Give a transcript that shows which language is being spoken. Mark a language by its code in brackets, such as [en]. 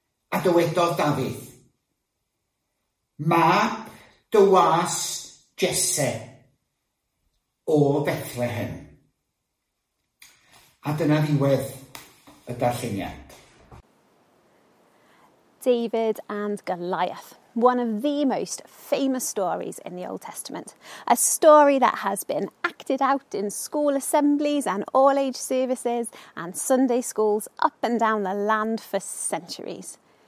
[cy] A dywedodd Dafydd, mab dy was Jesse o Bethlehem. A dyna ddiwedd y darlluniau. [en] David and Goliath, one of the most famous stories in the Old Testament, a story that has been acted out in school assemblies and all-age services and Sunday schools up and down the land for centuries.